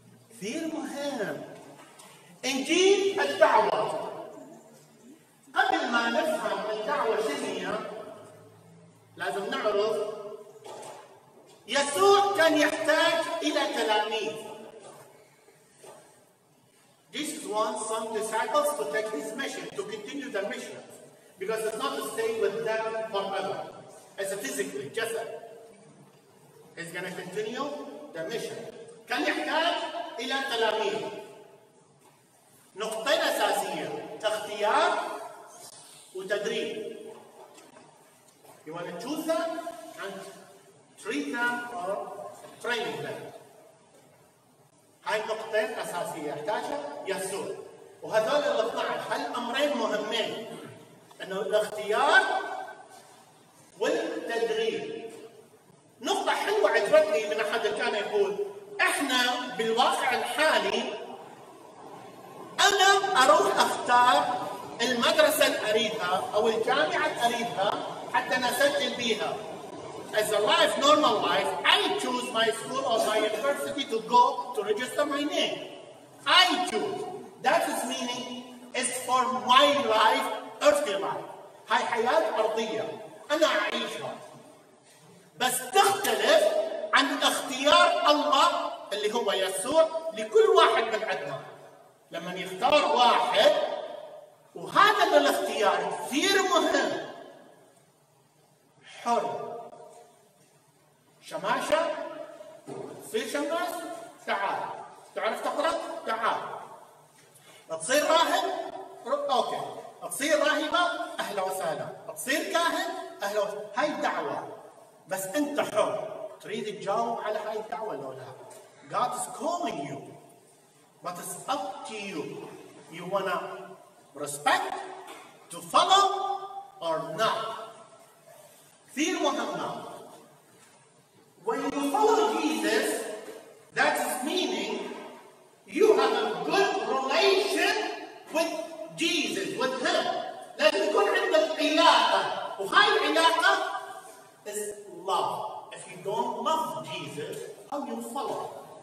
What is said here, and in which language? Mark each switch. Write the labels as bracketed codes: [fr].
[ar] كثير مهم انجيل الدعوه. قبل ما نفهم الدعوه شنو هي لازم نعرف يسوع كان يحتاج إلى تلاميذ. [en] Jesus wants some disciples to take his mission, to continue the mission, because it's not to stay with them forever. As a physically, just a, he's going to continue the mission. [ar] كان يحتاج إلى تلاميذ. نقطة أساسية، اختيار وتدريب. [en] You want to choose them and treat them or train them. [ar] هاي نقطة أساسية يحتاجها يسوع. وهذول ال 12 هل أمرين مهمين؟ أنه الاختيار والتدريب. نقطة حلوة عجبتني من أحد اللي كان يقول، إحنا بالواقع الحالي أنا أروح أختار المدرسة اللي أريدها أو الجامعة اللي أريدها حتى نسجل بيها. [en] As a life, normal life, I choose my school or my university to go to register my name. I choose. That is meaning is for my life, earthly life. [ar] هاي حياة أرضية أنا أعيشها. بس تختلف عن اختيار الله اللي هو يسوع لكل واحد من عندنا. لما يختار واحد، وهذا الاختيار كثير مهم، حر. شماشة تصير شماس، تعال. تعرف تقرأ؟ تعال. تصير راهب؟ أوكي. تصير راهبة؟ أهلا وسهلا. تصير كاهن؟ أهلا وسهلا. هاي الدعوة بس انت حر تريد تجاوب على هاي الدعوة لو لا. [en] God is calling you, but it's up to you. You wanna respect, to follow, or not. [ar] كثير مهمة. [en] When you follow Jesus, that is meaning you have a good relation with Jesus, with Him. [ar] لازم يكون عندك علاقة. وهاي العلاقة [en] is love. If you don't love Jesus, how you follow?